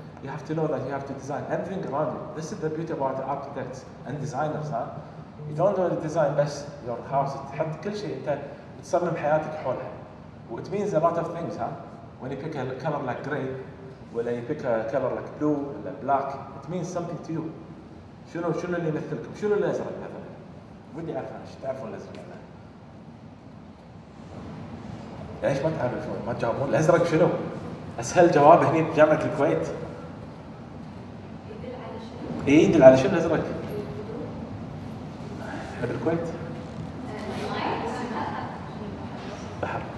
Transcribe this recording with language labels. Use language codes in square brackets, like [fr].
[en] You have to know that you have to design everything around you. This is the beauty about the architects and designers, huh? You don't only design just your house. [ar] تحط كل شيء انت بتصمم حياتك حولها. [en] It means a lot of things, huh? When you pick a color like gray, ولا you pick a color like blue, ولا black, it means something to you. [ar] شنو اللي يمثلكم؟ شنو اللي يزرق مثلا؟ ودي أعرف إيش تعرفون الأزرق مثلا؟ ليش ما تعرفون؟ ما تجاوبون؟ الأزرق شنو؟ أسهل جواب هني في جامعة الكويت. يدل على شنو الأزرق؟ هذا الكويت؟ بحر.